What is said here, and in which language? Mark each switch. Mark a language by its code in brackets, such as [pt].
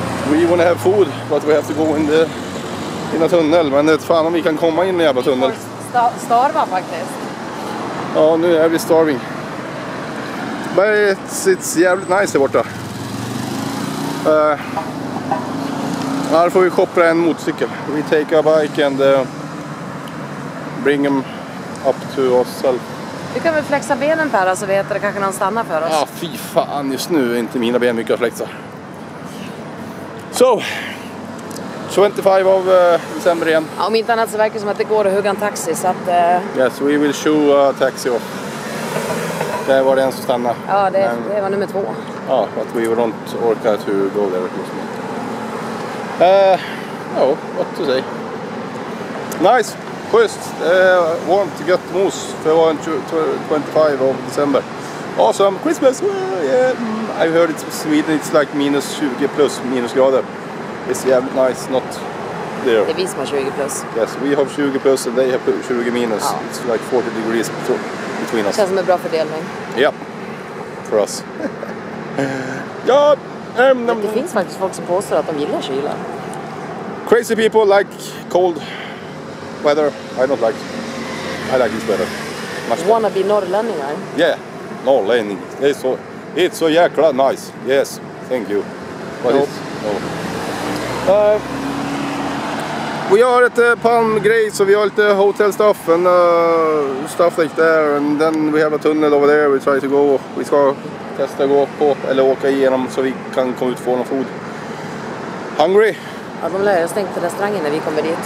[en] We want to have food, but we have to go in a tunnel. [sv] Men det är fan om vi kan komma in i en jävla tunnel. Vi starva faktiskt. Ja, nu är vi [en] starving. But it's [sv] jävligt [en] nice [sv] här borta. Här får vi shoppa en motorcykel. [en] We take a bike and bring him up to us. [sv] Du kan väl flexa benen Per, så vet du kanske någon stannar för oss. Ja, fy fan, just nu är inte mina ben mycket att flexa. So, 25 av december igen. Ja, om inte annat så verkar det som att det går att hugga en taxi. Så att, [en] Yes, we will show a taxi off. [sv] Där var det en som stannade. Ja, det var nummer 2. [en] Ja, but we won't [sv] orka [en] to go there. What to say. Nice. [sv] Schysst, varmt, gött mos för 25 av december. [en] Awesome, Christmas! Yeah. I heard it's Sweden, it's like minus 20 plus minusgrader. It's [sv] jävligt [en] nice, not there. [sv] Det är vi som har 20 plus. [en] Yes, we have 20 plus and they have 20 minus. Ja. It's like 40 degrees between us. [sv] Det känns som en bra fördelning. Ja, för oss. Ja, Det finns faktiskt folk som påstår att de gillar kyla. [en] Crazy people like cold. Weather, I don't like. I like this weather. Wanna be Norrlänning, eh? Yeah, Norrlänning. It's so [sv] jäkla [en] nice. Yes, thank you. But nope. We are at the Palm Grey, so we have the hotel stuff and stuff like there. And then we have a tunnel over there. We try to go. We [sv] ska testa gå på eller åka igenom så vi kan komma ut och få någon [en] food. Hungry? [sv] Ja, de lär jag stängt till restaurangen när vi kommer dit.